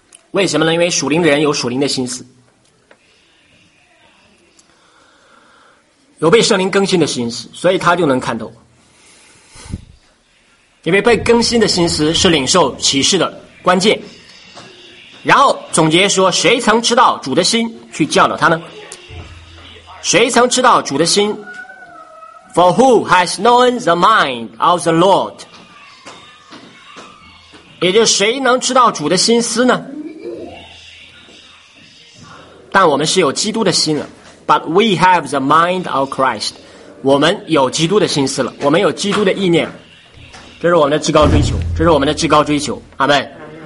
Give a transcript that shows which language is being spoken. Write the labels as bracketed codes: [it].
[zh] 为什么呢？因为属灵的人有属灵的心思，有被圣灵更新的心思，所以他就能看透。因为被更新的心思是领受启示的关键。然后总结说，谁曾知道主的心去教导他呢？谁曾知道主的心？ [en] For who has known the mind of the Lord? [zh] 也就是谁能知道主的心思呢？但我们是有基督的心了。 [en] But we have the mind of Christ. [zh] 我们有基督的心思了，我们有基督的意念，这是我们的至高追求，这是我们的至高追求。阿们。